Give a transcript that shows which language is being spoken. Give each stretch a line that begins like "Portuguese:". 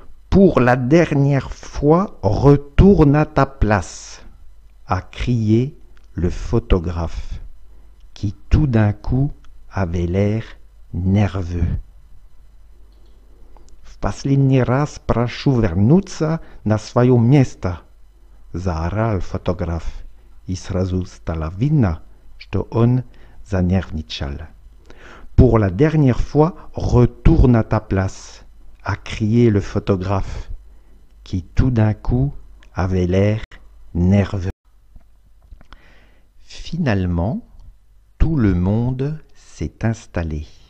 French: Pour la dernière fois, retourne à ta place, a crié le photographe, qui tout d'un coup avait l'air nerveux.
Russian: В последний раз прошу вернуться на свое место, заорал фотограф, и сразу стало видно, что он занервничал.
French: Pour la dernière fois, retourne à ta place. A crié le photographe, qui tout d'un coup avait l'air nerveux. Finalement, tout le monde s'est installé.